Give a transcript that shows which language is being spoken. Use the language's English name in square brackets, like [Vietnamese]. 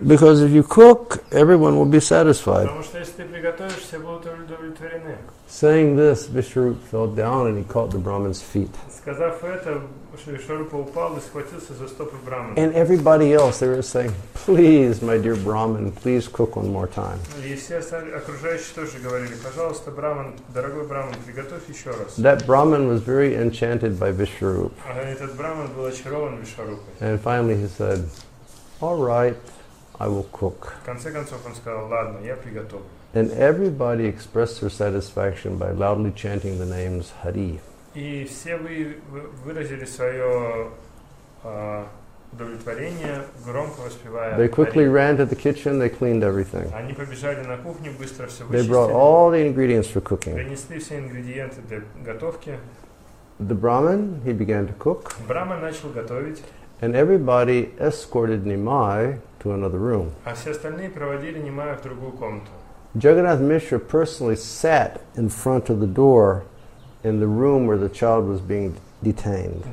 [English] Because if you cook, everyone will be satisfied. [Russian] Потому что если ты приготовишь, все будут удовлетворены. [English] Saying this, Vishwarupa fell down and he caught the Brahmin's feet. [Russian] Сказав это, Вишварупа упал и схватился за стопы Брахмана. [English] And everybody else, they were saying, please, my dear Brahmin, please cook one more time. [Russian] И все окружающие тоже говорили, пожалуйста, Брахман, дорогой Брахман, приготовь еще раз. [English] That Brahmin was very enchanted by Vishwarupa. [Russian] Этот Брахман был очарован Вишварупой. [English] And finally he said, all right, I will cook. [Russian] В конце концов он сказал, ладно, я приготовлю. [English] And everybody expressed their satisfaction by loudly chanting the names Hari. [Russian] И все вы выразили свое удовлетворение, громко воспевая. [English] They quickly ran to the kitchen, they cleaned everything. [Russian] Они побежали на кухню, быстро все вычистили. [English] They brought all the ingredients for cooking. [Russian] Принесли все ингредиенты для готовки. [English] The Brahmin, he began to cook. [Russian] Брахман начал готовить. [English] And everybody escorted Nimai to another room. [Russian] А все остальные проводили Нимая в другую комнату. [English] Jagannath Mishra personally sat in front of the door in the room where the child was being detained.